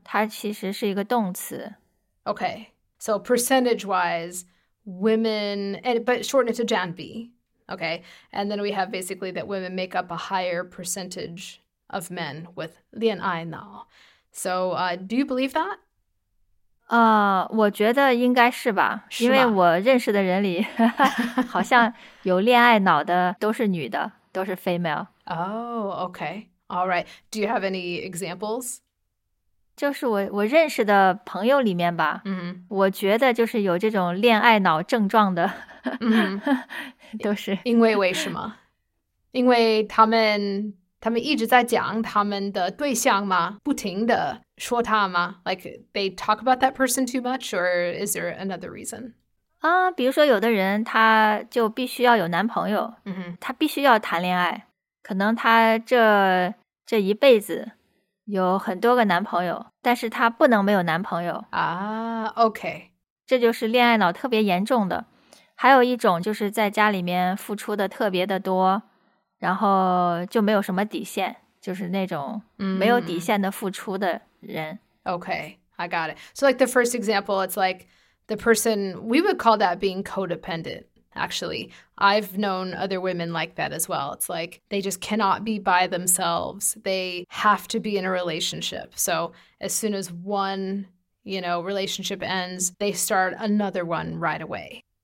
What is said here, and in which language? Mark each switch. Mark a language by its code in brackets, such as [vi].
[zh] 它其实是一个动词。 [en] Okay, so percentage-wise, women, and, but shorten it to 占比, okay? And then we have basically that women make up a higher percentage of men with 恋爱脑. So do you believe that? [zh] 我觉得应该是吧, 因为我认识的人里, 好像有恋爱脑的都是女的, 都是 [en] female. Oh, okay. All right. Do you have any examples? [zh] 就是我认识的朋友里面吧, mm-hmm. 我觉得就是有这种恋爱脑症状的, mm-hmm. 都是。因为什么? 因为他们一直在讲他们的对象吗? 不停的。说他吗? [en] Like, they talk about that person too much, or is there another reason? [zh] 比如说有的人他就必须要有男朋友, mm-hmm. 他必须要谈恋爱, 可能他这一辈子有很多个男朋友, 但是他不能没有男朋友。 [en] Okay. [zh] 这就是恋爱脑特别严重的, 还有一种就是在家里面付出的特别的多, 然后就没有什么底线, 就是那种没有底线的付出的, mm-hmm. [en] Yeah. Okay, I got it. So like the first example, it's like the person, we would call that being codependent, actually. I've known other women like that as well. It's like they just cannot be by themselves. They have to be in a relationship. So as soon as one, you know, relationship ends, they start another one right away.